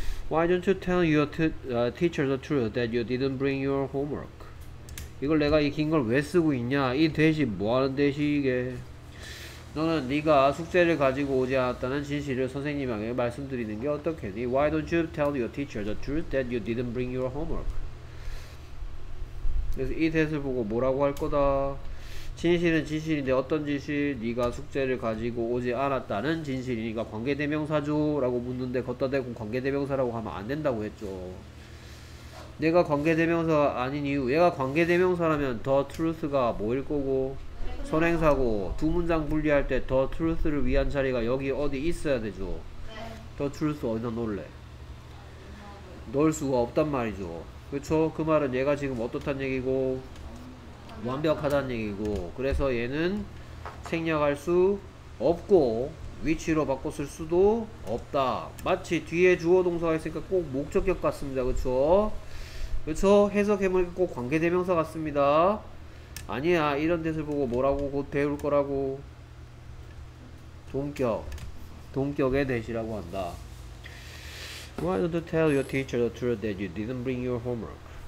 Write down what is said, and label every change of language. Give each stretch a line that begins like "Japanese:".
English: Why don't you tell your teacher the truth that you didn't bring your homework?
Korean: 이걸 내가 이 긴 걸 왜 쓰고 있냐? 이 대신 뭐 하는 대신 이게? 너는 네가 숙제를 가지고 오지 않았다는 진실을 선생님에게 말씀드리는 게 어떻겠니?
English: Why don't you tell your teacher the truth that you didn't bring your homework?
Korean: 그래서 이 대신 보고 뭐라고 할 거다? 진실은 진실인데 어떤 진실? 네가 숙제를 가지고 오지 않았다는 진실이니까 관계대명사죠 라고 묻는데 걷다 대고 관계대명사라고 하면 안 된다고 했죠. 내가 관계대명사가 아닌 이유, 얘가 관계대명사라면 the truth가 뭐일 거고 선행사고 두 문장 분리할 때 the truth를 위한 자리가 여기 어디 있어야 되죠. the truth 어디다 놓을래? 넣을 수가 없단 말이죠. 그쵸? 그 말은 얘가 지금 어떻단 얘기고 완벽하다는 얘기고 그래서 얘는 생략할 수 없고 위치로 바꿔 쓸 수도 없다. 마치 뒤에 주어 동사가 있으니까 꼭 목적격 같습니다. 그쵸? 그쵸? 해석해보니까 꼭 관계대명사 같습니다. 아니야, 이런 뜻을 보고 뭐라고 곧 배울 거라고. 동격, 동격의 대시라고 한다.
English: Why don't you tell your teacher the truth that you didn't bring your homework?